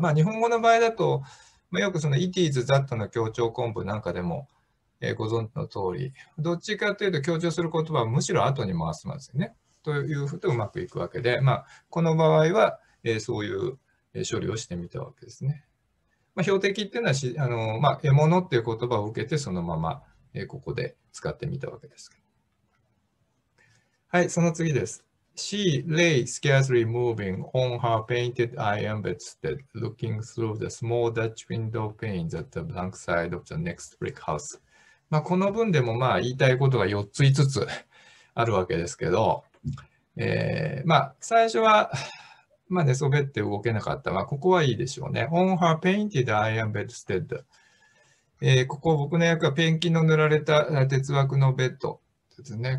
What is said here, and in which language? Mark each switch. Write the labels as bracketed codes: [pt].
[ja] まあ、日本語の場合だと、まあ、よくその、 [en] it is that [ja] の強調構文なんかでも、ご存知の通り、どっちかというと、強調する言葉はむしろ後に回すんですよね。というふうとうまくいくわけで、まあ、この場合は、そういう、処理をしてみたわけですね。まあ、標的っていうのはし、あの、まあ、獲物っていう言葉を受けてそのまま、ここで使ってみたわけです。はい、その次です。 [en] She lay scarcely moving on her painted iron bedstead, looking through the small Dutch window panes at the blank side of the next brick house。 [ja] まあ、この文でもまあ言いたいことが4つ5つあるわけですけど、まあ、最初は、まあ、寝そべって動けなかった。まあ、ここはいいでしょうね。 [en] On her painted iron bedstead。 [ja] ここ僕の役はペンキの塗られた鉄枠のベッドですね。